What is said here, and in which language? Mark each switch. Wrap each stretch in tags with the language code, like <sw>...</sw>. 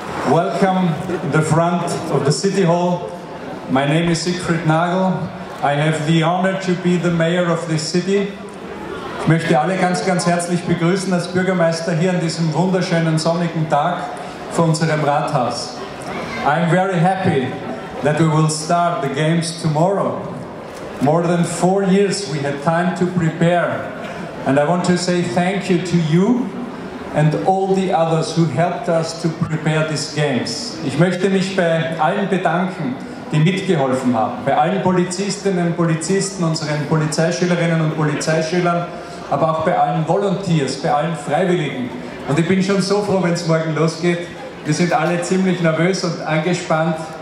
<en>Welcome in the front of the City Hall. My name is Siegfried Nagl. I have the honor to be the mayor of this city.</en> <de>Ich möchte alle ganz, ganz herzlich begrüßen als Bürgermeister hier an diesem wunderschönen sonnigen Tag vor unserem Rathaus.</de> <en>I'm very happy that we will start the games tomorrow. More than 4 years we had time to prepare. And I want to say thank you to you and all the others who helped us to prepare these games.</en> <de>Ich möchte mich bei allen bedanken, die mitgeholfen haben. Bei allen Polizistinnen und Polizisten, unseren Polizeischülerinnen und Polizeischülern, aber auch bei allen Volunteers, bei allen Freiwilligen. Und ich bin schon so froh, wenn es morgen losgeht. Wir sind alle ziemlich nervös und angespannt.</de>